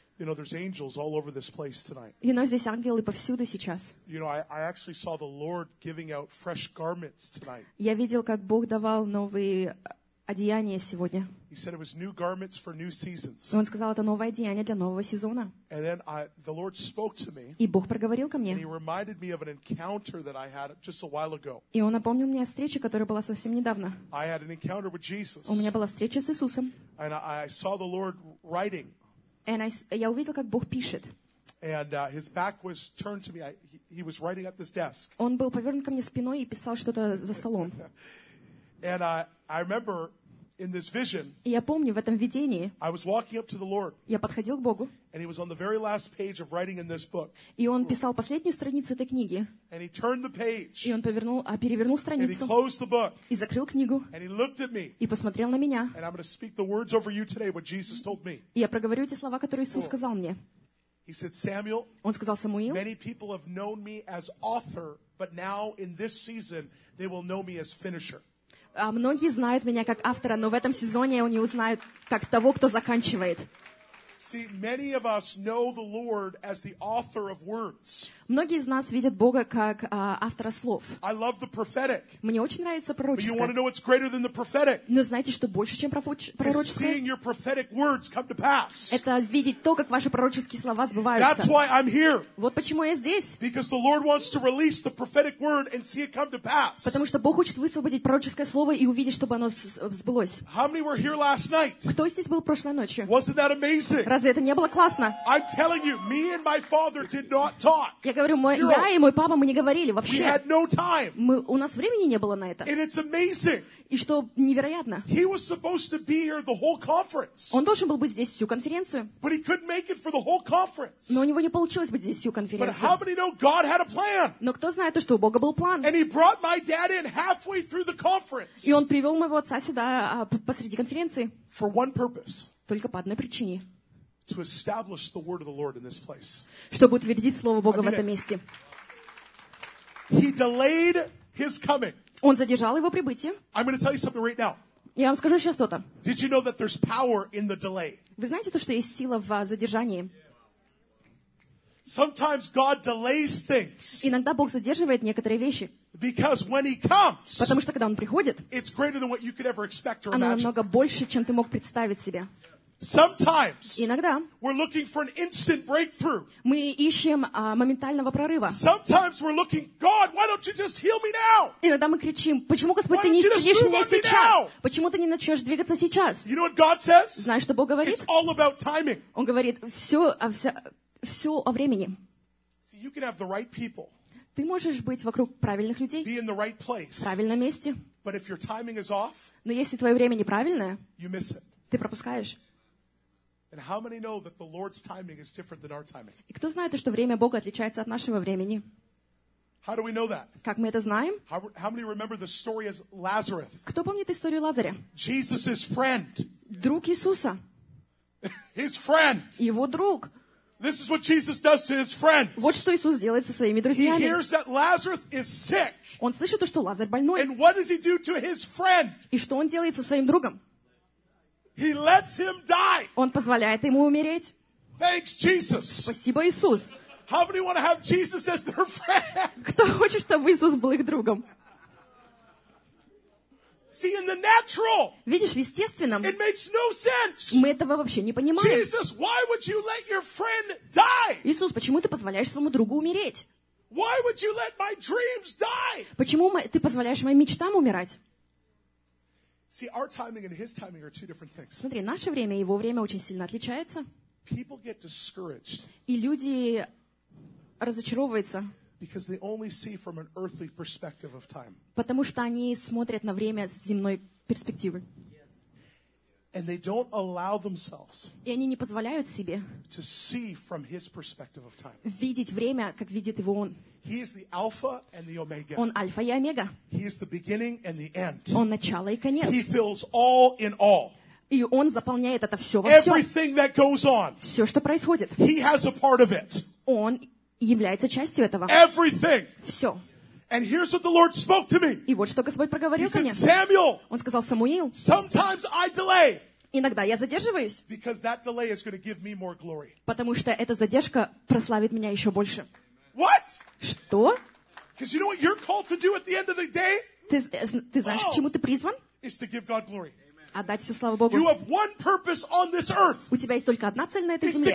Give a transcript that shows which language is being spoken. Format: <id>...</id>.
<en>You know, there's angels all over this place tonight.</en> <ru>You know, здесь ангелы повсюду сейчас.</ru> <en>You know, I actually saw the Lord giving out fresh garments tonight.</en> <ru>Я видел, как Бог давал новые одеяния сегодня.</ru> <en>He said it was new garments for new seasons.</en> <ru>И он сказал, это новое одеяние для нового сезона.</ru> <en>And then the Lord spoke to me.</en> <ru>И Бог проговорил ко мне.</ru> <en>And He reminded me of an encounter that I had just a while ago.</en> <ru>И он напомнил мне о встрече, которая была совсем недавно.</ru> <en>I had an encounter with Jesus.</en> <ru>У меня была встреча с Иисусом.</ru> <en>And I saw the Lord writing.</en> <ru>And я увидел, как Бог пишет.</ru> <en>And his back was turned to me. He was writing at this desk.</en> <ru>Он был повернут ко мне спиной и писал что-то за столом.</ru> <en>And I remember in this vision.</en> <ru>Я помню в этом видении.</ru> <en>I was walking up to the Lord.</en> <ru>Я подходил к Богу.</ru> <en>And he was on the very last page of writing in this book.</en> <ru>И он писал последнюю страницу этой книги.</ru> <en>And he turned the page.</en> <ru>И он перевернул страницу.</ru> <en>And he closed the book.</en> <ru>И закрыл книгу.</ru> <en>And he looked at me.</en> <ru>И посмотрел на меня.</ru> <en>And I'm going to speak the words over you today, what Jesus told me.</en> <ru>И я проговорю эти слова, которые Иисус сказал мне.</ru> <en>He said, Samuel.</en> <ru>Он сказал, Самуил.</ru> <en>Many people have known me as author, but now in this season they will know me as finisher.</en> <ru>А многие знают меня как автора, но в этом сезоне они узнают как того, кто заканчивает.</ru> <en>See, many of us know the Lord as the author of words.</en> <ru>Многие из нас видят Бога как автора слов.</ru> <en>I love the prophetic.</en> <ru>Мне очень нравится пророческое.</ru> <en>But you want to know what's greater than the prophetic?</en> <ru>Но знаете, что больше, чем пророческое?</ru> <en>Seeing your prophetic words come to pass.</en> <ru>Это видеть то, как ваши пророческие слова сбываются.</ru> <en>That's why I'm here.</en> <ru>Вот почему я здесь.</ru> <en>Because the Lord wants to release the prophetic word and see it come to pass.</en> <ru>Потому что Бог хочет высвободить пророческое слово и увидеть, чтобы оно сбылось.</ru> <en>How many were here last night?</en> <ru>Кто здесь был прошлой ночью?</ru> <en>Wasn't that amazing?</en> <ru>Разве это не было классно? Я говорю, я и мой папа, мы не говорили вообще.</ru> <en>We had no time.</en> <ru>У нас времени не было на это.</ru> <en>And it's amazing.</en> <ru>И что невероятно.</ru> <en>He was supposed to be here the whole conference.</en> <ru>Он должен был быть здесь всю конференцию.</ru> <en>But he couldn't make it for the whole conference.</en> <ru>Но у него не получилось быть здесь всю конференцию.</ru> <en>But how many know God had a plan?</en> <ru>Но кто знает, что у Бога был план?</ru> <en>And he brought my dad in halfway through the conference.</en> <ru>И он привел моего отца сюда посреди конференции.</ru> <en>For one purpose.</en> <ru>Только по одной причине.</ru> <en>To establish the word of the Lord in this place.</en> <ru>Чтобы утвердить слово Бога в этом месте.</ru> <en>He delayed his coming.</en> <ru>Он задержал его прибытие.</ru> <en>I'm going to tell you something right now.</en> <ru>Я вам скажу сейчас что-то.</ru> <en>Did you know that there's power in the delay?</en> <ru>Вы знаете то, что есть сила в задержании?</ru> <en>Sometimes God delays things.</en> <ru>Иногда Бог задерживает некоторые вещи.</ru> <en>Because when He comes.</en> <ru>Потому что когда Он приходит.</ru> <en>It's greater than what you could ever expect or</en> <ru>оно</ru> <en>imagine.</en> <ru>Оно намного больше, чем ты мог представить себе.</ru> <en>Sometimes</en> <ru>иногда</ru> <en>we're looking for an instant breakthrough.</en> <ru>Мы ищем моментального прорыва.</ru> <en>Sometimes we're looking, God, why don't you just heal me now?</en> <ru>Иногда мы кричим, почему, Господь, ты не исцелишь меня сейчас? Почему ты не начнешь двигаться сейчас?</ru> <en>You know what God says?</en> <ru>Знаешь, что Бог говорит?</ru> <en>It's all about timing.</en> <ru>Он говорит, все о времени.</ru> <en>See, you can have the right people.</en> <ru>Ты можешь быть вокруг правильных людей.</ru> <en>Be in the right place.</en> <ru>В правильном месте.</ru> <en>But if your timing is off,</en> <ru>но если твое время неправильное,</ru> <en>you miss it.</en> <ru>Ты пропускаешь.</ru> <en>And how many know that the Lord's timing is different than our timing?</en> <ru>И кто знает, что время Бога отличается от нашего времени?</ru> <en>How do we know that?</en> <ru>Как мы это знаем?</ru> <en>How many remember the story of Lazarus?</en> <ru>Кто помнит историю Лазаря?</ru> <en>Jesus's friend.</en> <ru>Друг Иисуса.</ru> <en>His friend.</en> <ru>Его друг.</ru> <en>This is what Jesus does to his friends.</en> <ru>Вот что Иисус делает со своими друзьями.</ru> <en>He hears that Lazarus is sick.</en> <ru>Он слышит то, что Лазарь больной.</ru> <en>And what does he do to his friend?</en> <ru>И что он делает со своим другом?</ru> <en>He lets him die.</en> <ru>Он позволяет ему умереть.</ru> <en>Thanks, Jesus.</en> <ru>Спасибо, Иисус.</ru> <en>How many want to have Jesus as their friend?</en> <ru>Кто хочет, чтобы Иисус был их другом?</ru> <en>See, in the natural.</en> <ru>Видишь, в естественном.</ru> <en>It makes no sense.</en> <ru>Мы этого вообще не понимаем.</ru> <en>Jesus, why would you let your friend die?</en> <ru>Иисус, почему ты позволяешь своему другу умереть?</ru> <en>Why would you let my dreams die?</en> <ru>Почему ты позволяешь моим мечтам умирать?</ru> <en>See, our timing and his timing are two different things.</en> <ru>Смотри, наше время и его время очень сильно отличаются.</ru> <en>People get discouraged.</en> <ru>И люди разочаровываются.</ru> <en>Because they only see from an earthly perspective of time.</en> <ru>Потому что они смотрят на время с земной перспективы.</ru> <en>And they don't allow themselves.</en> <ru>И они не позволяют себе.</ru> <en>To see from his perspective of time.</en> <ru>Видеть время, как видит его он.</ru> <en>He is the Alpha and the Omega.</en> <ru>Он альфа и омега.</ru> <en>He is the beginning and the end.</en> <ru>Он начало и конец.</ru> <en>He fills all in all.</en> <ru>И он заполняет это все во</ru> <en>всем. Everything that goes on.</en> <ru>Все, что происходит.</ru> <en>He has a part of it.</en> <ru>Он является частью этого.</ru> <en>Everything.</en> <ru>Все.</ru> <en>And here's what the Lord spoke to me.</en> <ru>И вот что Господь проговорил ко мне. Samuel. Он сказал: Самуил.</ru> <en>Sometimes I delay.</en> <ru>Иногда я задерживаюсь.</ru> <en>Because that delay is going to give me more glory.</en> <ru>Потому что эта задержка прославит меня еще больше.</ru> <en>What?</en> <ru>Что?</ru> <en>Because you know what you're called to do at the end of the day?</en> <ru>Ты знаешь, к чему ты призван?</ru> <en>Is to give God glory.</en> <ru>Отдать всю славу Богу.</ru> <en>You have one purpose on this earth.</en> <ru>У тебя есть только одна цель на этой земле.</ru>